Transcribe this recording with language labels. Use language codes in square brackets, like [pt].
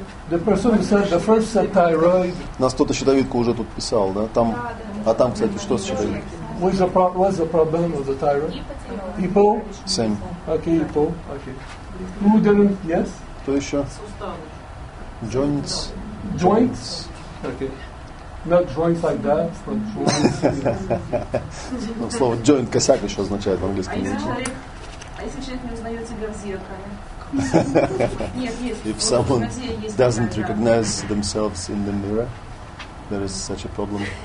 [en] The person who said the first said thyroid. [ru] Нас кто-то щитовидку уже тут писал, да? Там, а там, кстати, что с щитовидкой? [en] What's the problem with the thyroid? Hypo? Same. Okay, hypo. Okay. Who didn't? Yes? [ru] Кто еще? [en] Joints? Okay. Not joints like that, but joints. [ru] Ну, слово joint косяк еще означает в английском языке. А если человек не узнает себя в зеркале? [en] If someone doesn't recognize themselves in the mirror, there is such a problem.